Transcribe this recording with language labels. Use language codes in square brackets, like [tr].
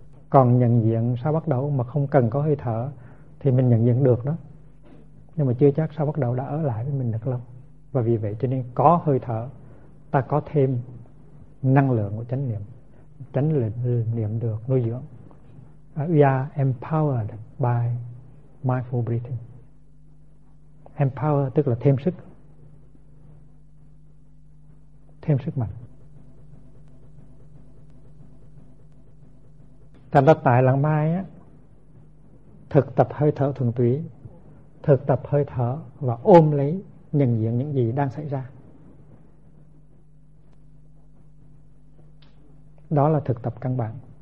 [vi] Còn nhận diện sao bắt đầu mà không cần có hơi thở thì mình nhận diện được đó, nhưng mà chưa chắc sao bắt đầu đã ở lại với mình được lâu. Và vì vậy cho nên có hơi thở, ta có thêm năng lượng của chánh niệm, chánh niệm được nuôi dưỡng. [en] We are empowered by mindful breathing. [vi] Empower tức là thêm sức, thêm sức mạnh. Thành ra tại Làng Mai á, thực tập hơi thở thuần túy, thực tập hơi thở và ôm lấy, nhận diện những gì đang xảy ra, đó là thực tập căn bản.